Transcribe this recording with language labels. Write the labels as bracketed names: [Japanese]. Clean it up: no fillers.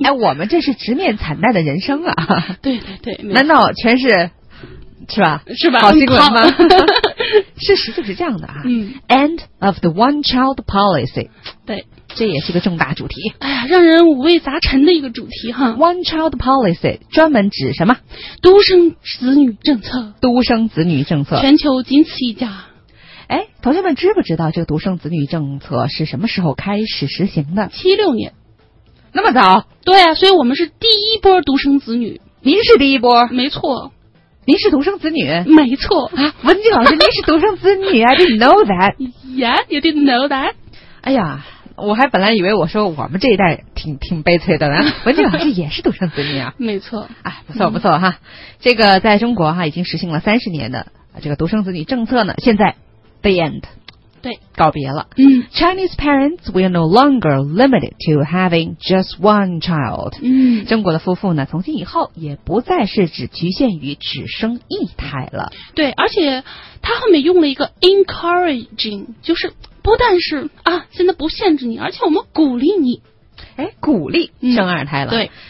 [Chinese] 哎，我们这是直面惨淡的人生啊！对对对，难道全是？是吧？是吧？好新闻吗？事实就是这样的啊。嗯。 [English] End of the one child policy。 [Chinese] 对，这也是个重大主题。哎呀，让人五味杂陈的一个主题哈。 One child policy 专门指什么？独生子女政策。独生子女政策。全球仅此一家。哎，同学们知不知道这个独生子女政策是什么时候开始实行的？ 76年。那么早？对啊，所以我们是第一波独生子女。您是第一波？没错。您是独生子女？没错啊，文静老师，您是独生子女啊。 I didn't know that. [English] Yeah, you didn't know that. [Chinese] 哎呀，我还本来以为我说我们这一代挺悲催的呢。文静老师也是独生子女啊。没错。哎，不错不错哈。这个在中国哈已经实行了30年的这个独生子女政策呢，现在 the end。对，告别了。嗯。 [English] Chinese parents will no longer limited to having just one child. [Chinese] 嗯。中国的夫妇呢从今以后也不再是只局限于只生一胎了。对，而且他后面用了一个 encouraging, 就是不但是啊现在不限制你，而且我们鼓励你。哎，鼓励生二胎了。嗯，对。